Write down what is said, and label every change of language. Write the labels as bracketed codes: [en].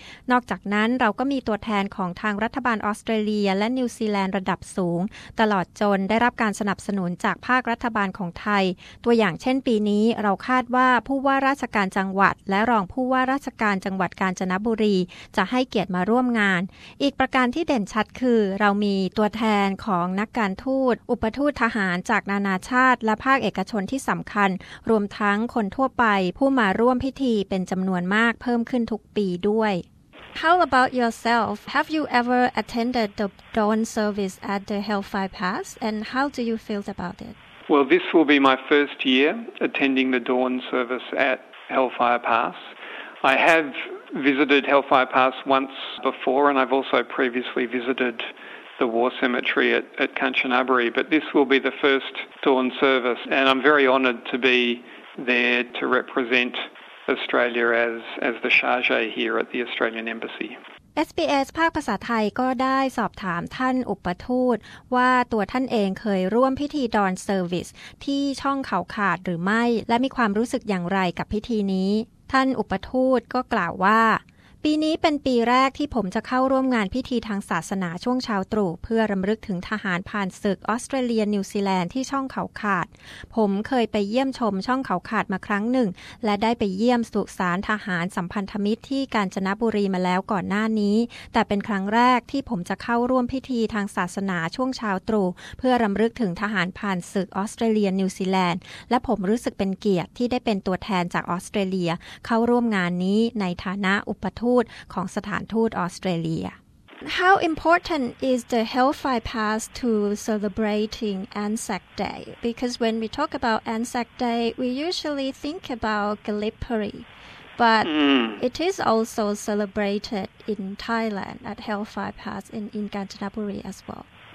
[th] นอกจากนั้นเราก็มีตัวแทนของทางรัฐบาลออสเตรเลียและนิวซีแลนด์ระดับสูงตลอดจนได้รับการสนับสนุนจากภาครัฐบาลของไทยตัวอย่างเช่นปีนี้เราคาดว่าผู้ว่าราชการจังหวัดและรองผู้ว่าราชการจังหวัดกาญจนบุรีจะให้เกียรติมาร่วมงาน อีกประการที่เด่นชัดคือเรามีตัวแทนของนักการทูตอุปทูตทหารจากนานาชาติและภาคเอกชนที่สำคัญรวมทั้งคนทั่วไปผู้มาร่วมพิธีเป็นจำนวนมากเพิ่มขึ้นทุกปีด้วย [en] How about yourself? Have you ever attended the dawn service at the Hellfire Pass and how do you feel about it? Well, this will be my first year attending the dawn service at Hellfire Pass. I haveVisited Hellfire Pass once before, and I've also previously visited the war cemetery at Kanchanaburi. But this will be the first dawn service, and I'm very honoured to be there to represent Australia as the chargé here at the Australian Embassy. [th] SBS ภาคภาษาไทยก็ได้สอบถามท่านอุปทูตว่าตัวท่านเองเคยร่วมพิธีดอนเซอร์วิสที่ช่องเขาขาดหรือไม่และมีความรู้สึกอย่างไรกับพิธีนี้ท่านอุปทูตก็กล่าวว่า ปีนี้เป็นปีแรกที่ผมจะเข้าร่วมงานพิธีทางศาสนาช่วงเช้าตรู่เพื่อรำลึกถึงทหารผ่านศึกออสเตรเลียนิวซีแลนด์ที่ช่องเขาขาด ผมเคยไปเยี่ยมชมช่องเขาขาดมาครั้งหนึ่งและได้ไปเยี่ยมสุสานทหารสัมพันธมิตรที่กาญจนบุรีมาแล้วก่อนหน้านี้แต่เป็นครั้งแรกที่ผมจะเข้าร่วมพิธีทางศาสนาช่วงเช้าตรู่เพื่อรำลึกถึงทหารผ่านศึกออสเตรเลียนิวซีแลนด์และผมรู้สึกเป็นเกียรติที่ได้เป็นตัวแทนจากออสเตรเลียเข้าร่วมงานนี้ในฐานะอุปทูตของสถานทูตออสเตรเลีย [en] How important is the Hellfire Pass to celebrating Anzac Day? Because when we talk about Anzac Day, we usually think about Gallipoli, but it is also celebrated in Thailand at Hellfire Pass in Kanchanaburi as well.